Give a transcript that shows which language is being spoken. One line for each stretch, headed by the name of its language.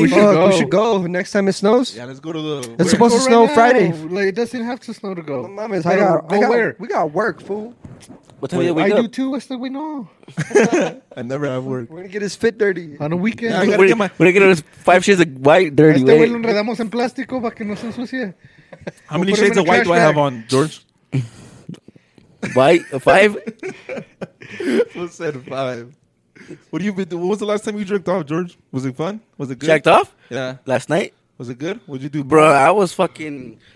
English: we should go next time it snows. Yeah, let's go to the... It's supposed to snow right Friday. Like, it doesn't have to snow to go. My mom is, I got, go I got, where? We got work, fool. What time we I do, too. I still we know. I never have work. We're going to get his fit dirty. On a weekend. Yeah, we're going to get his 5 shades of white dirty.
Spanish: Este güey lo enredamos en plástico para que no se ensucie.
English: How many shades of white do I have on, George? White? 5? Who said 5? What have you been doing? What was the last time you jerked off, George? Was it fun? Was it good? Jacked off? Yeah. Last night? Was it good? What'd you do? Bro, I was fucking...